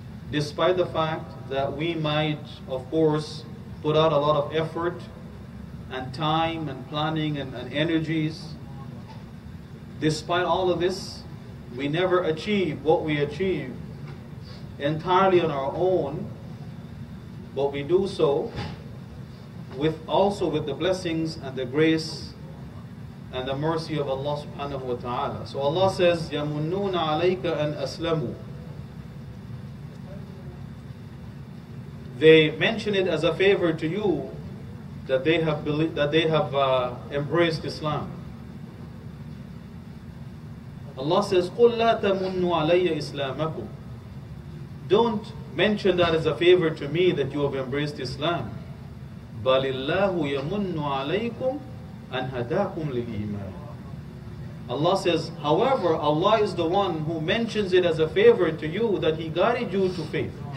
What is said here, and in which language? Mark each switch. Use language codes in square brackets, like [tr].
[en] Despite the fact that we might, of course, put out a lot of effort and time and planning and energies, despite all of this, we never achieve what we achieve entirely on our own, but we do so with also with the blessings and the grace and the mercy of Allah subhanahu wa ta'ala. So Allah says, [ar] يَمُنُّونَ عَلَيْكَ أَنْ أَسْلَمُوا. [en] They mention it as a favor to you that they have believed, that they have embraced Islam. Allah says, [ar] قُلْ لَا تَمُنُّوا عَلَيَّ إِسْلَامَكُمْ. [en] Don't mention that as a favor to me that you have embraced Islam. [ar] بَلِلَّهُ يَمُنُّ عَلَيْكُمْ أَنْ هَدَاكُمْ لِلْإِيمَانِ. [en] Allah says, however, Allah is the one who mentions it as a favor to you that He guided you to faith.